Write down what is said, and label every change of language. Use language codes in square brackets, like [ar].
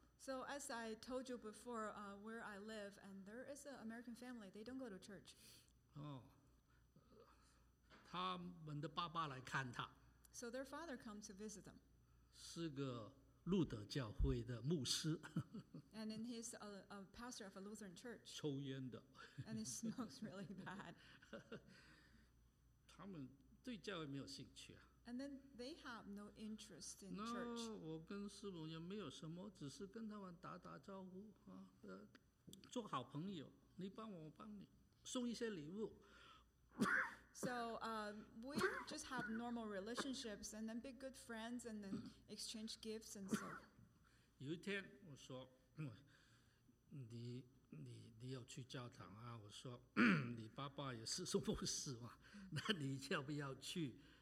[en] So as I told you before, where I live, and there is an American family, they don't go to church. [zh] 哦，他们的爸爸来看他。 [en] So their father comes to visit them. [zh] 是个路德教会的牧师。 [en] And then he's a pastor of a Lutheran church. [zh] 抽烟的。 [en] And he smokes really bad. [zh] 他们对教会没有兴趣啊。 [en] And then they have no interest in no, church. [zh] 我跟师母也没有什么，只是跟他们打打招呼， 做好朋友， 你帮我帮你， 送一些礼物。 [en] So we just have normal relationships and then be good friends and then exchange gifts and so. [zh] 有一天我说，你要去教堂啊？我说你爸爸也是牧师嘛， 那你要不要去？